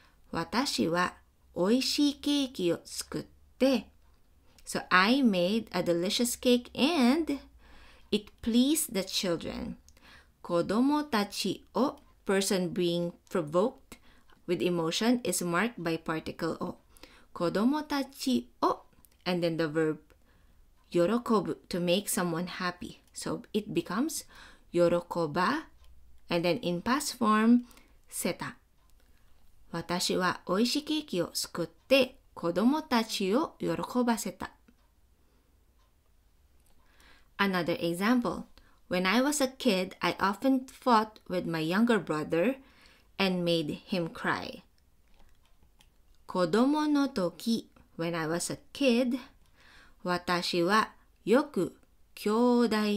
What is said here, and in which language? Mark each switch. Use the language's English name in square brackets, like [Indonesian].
[Japanese] 私はおいしいケーキを作って [English] So I made a delicious cake and it pleased the children. [Japanese] 子供たちを [English] person being provoked with emotion is marked by particle を [Japanese] 子供たちを [English] and then the verb [Japanese] 喜ぶ [English] to make someone happy. So it becomes [Japanese] 喜ば [English] and then in past form [Japanese] せた私はおいしいケーキを作って子供たちを喜ばせた。 [English] Another example. When I was a kid, I often fought with my younger brother and made him cry. [Japanese] 子供の時, [English] when I was a kid, [Japanese] 私はよく兄弟.